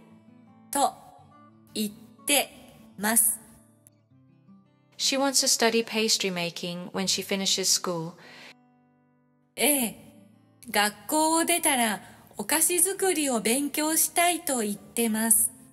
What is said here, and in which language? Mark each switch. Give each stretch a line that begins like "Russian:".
Japanese: 学校を出たらお菓子作りを勉強したいと言ってます。
English: She wants to study pastry making when she finishes school.
Japanese: ええ、学校を出たらお菓子作りを勉強したいと言ってます。